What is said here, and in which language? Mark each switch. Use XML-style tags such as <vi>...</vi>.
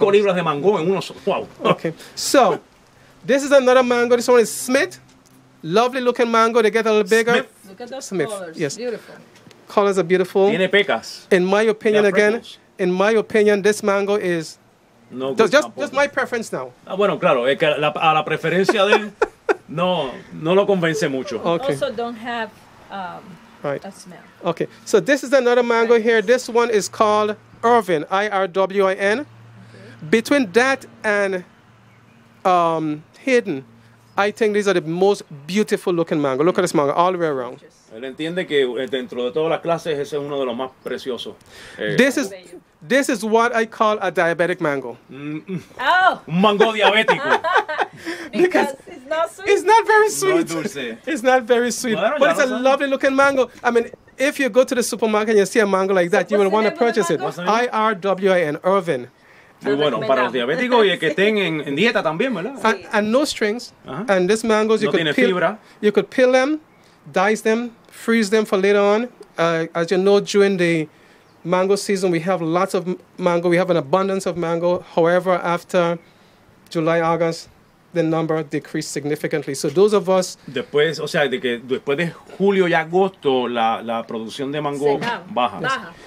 <es>5 libras de mango en uno. Wow.</es> <en>Okay. So, this is another mango. This one is Smith. Lovely looking mango. They get a little bigger. Smith. Look at those Smith. Colors. Yes. Beautiful. Colors are beautiful.</en> <es>Tiene pecas.</es> <en>In my opinion, again, in my opinion, this mango is... No, just my preference now.</en> <es>Ah, bueno, claro, es que a la preferencia de él, no lo convence mucho.</es> <en>Okay. Also don't have a smell. Okay, so this is another mango here. This one is called Irvin, I-R-W-I-N. Okay. Between that and Hidden, I think these are the most beautiful looking mango. Look at this mango, all the way around.</en> <es>Él entiende que dentro de todas las clases, ese es uno de los más preciosos.</es> <en>This is what I call a diabetic mango. Mm-mm. Oh!</en> <es>Mango diabético.</es> <en>Because it's not sweet. It's not very sweet.</en> <es>No dulce.</es> <en>It's not very sweet.</en> <es>Bueno,</es> <en>but it's a lovely looking mango. I mean, if you go to the supermarket and you see a mango like that, you will want to purchase it. I-R-W-I-N, Irvin.</en> <es>Muy bueno, para los diabéticos y el que estén en dieta también, ¿verdad?</es> <en>And no strings. Uh-huh. And this mango,</en> <es>no</es> <en>could</en> <es>tiene</es> <en>peel,</en> <es>fibra.</es> <en>You could peel them, dice them, freeze them for later on. As you know, during the mango season, we have lots of mango. We have an abundance of mango. However, after July, August, the number decreased significantly. So those of us...</en> <es>Después, o sea, de que después de julio y agosto, la producción de mango baja.</es>